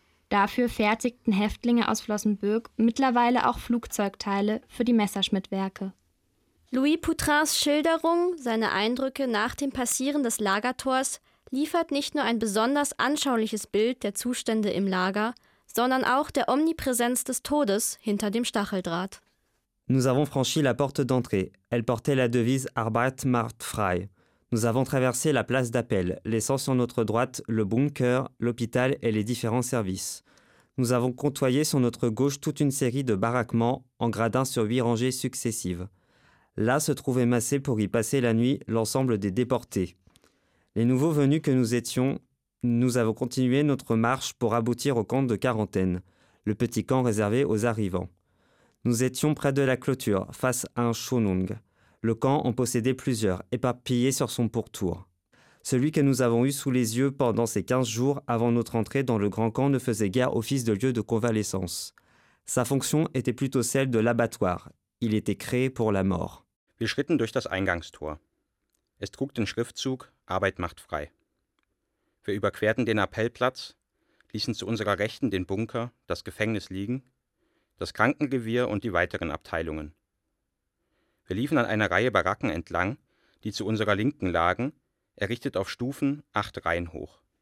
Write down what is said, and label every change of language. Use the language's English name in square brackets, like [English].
[German] Dafür fertigten Häftlinge aus Flossenbürg mittlerweile auch Flugzeugteile für die Messerschmitt-Werke. Louis Poutrains Schilderung, seine Eindrücke nach dem Passieren des Lagertors, liefert nicht nur ein besonders anschauliches Bild der Zustände im Lager, sondern auch der Omnipräsenz des Todes hinter dem Stacheldraht. [French] Nous avons franchi la porte d'entrée. Elle portait la devise [German] Arbeit macht frei. [French] Nous avons traversé la place d'appel, laissant sur notre droite le bunker, l'hôpital et les différents services. Nous avons côtoyé sur notre gauche toute une série de baraquements en gradins sur 8 rangées successives. Là se trouvait massé pour y passer la nuit l'ensemble des déportés. Les nouveaux venus que nous étions, nous avons continué notre marche pour aboutir au camp de quarantaine, le petit camp réservé aux arrivants. Nous étions près de la clôture, face à un Schonung. Le camp en possédait plusieurs, éparpillés sur son pourtour. Celui que nous avons eu sous les yeux pendant ces 15 jours avant notre entrée dans le grand camp ne faisait guère office de lieu de convalescence. Sa fonction était plutôt celle de l'abattoir. Il était créé pour la mort. [German] Wir schritten durch das Eingangstor. Es trug den Schriftzug Arbeit macht frei. Wir überquerten den Appellplatz, ließen zu unserer Rechten den Bunker, das Gefängnis liegen, das Krankengewirr und die weiteren Abteilungen. Wir liefen an einer Reihe Baracken entlang, die zu unserer Linken lagen, errichtet auf Stufen 8 Reihen hoch.